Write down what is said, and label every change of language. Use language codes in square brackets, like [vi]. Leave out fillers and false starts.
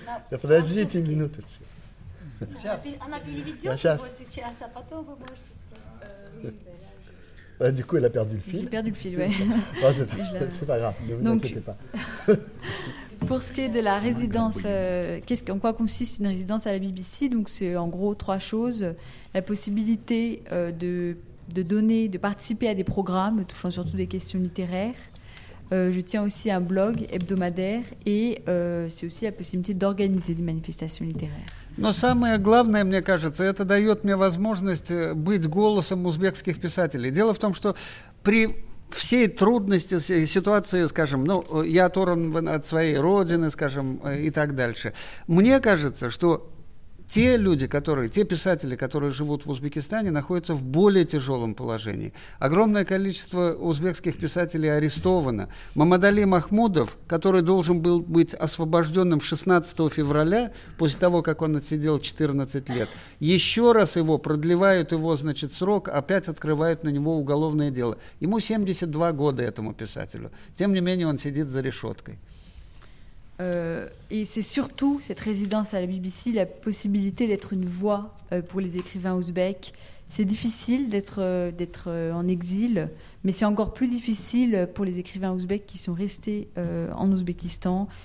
[ru] Да, подождите минуточку. Она переведет его сейчас, а потом вы можете спросить. [fr] Du coup, elle a perdu le fil. J'ai perdu le fil, oui. Non, c'est pas grave, ne vous inquiétez pas. Pour ce qui est de la résidence, en quoi consiste une résidence à la BBC? Donc c'est en gros trois choses. La possibilité de participer à des programmes touchant surtout des questions littéraires. Je tiens aussi un blog hebdomadaire et c'est aussi la possibilité d'organiser des manifestations littéraires. [ru] Но самое главное, мне кажется, это дает мне возможность быть голосом узбекских писателей. Дело в том, что при всей трудности ситуации, скажем, ну, я оторван от своей родины, скажем, и так дальше. Мне кажется, что те писатели, которые живут в Узбекистане, находятся в более тяжелом положении. Огромное количество узбекских писателей арестовано. Мамадали Махмудов, который должен был быть освобожденным 16 февраля, после того, как он отсидел 14 лет, еще раз его продлевают его, значит, срок, опять открывают на него уголовное дело. Ему 72 года, этому писателю. Тем не менее, он сидит за решеткой. [fr] Et c'est surtout cette résidence à la BBC, la possibilité d'être une voix pour les écrivains ouzbeks. C'est difficile d'être en exil, mais c'est encore plus difficile pour les écrivains ouzbeks qui sont restés en Ouzbékistan.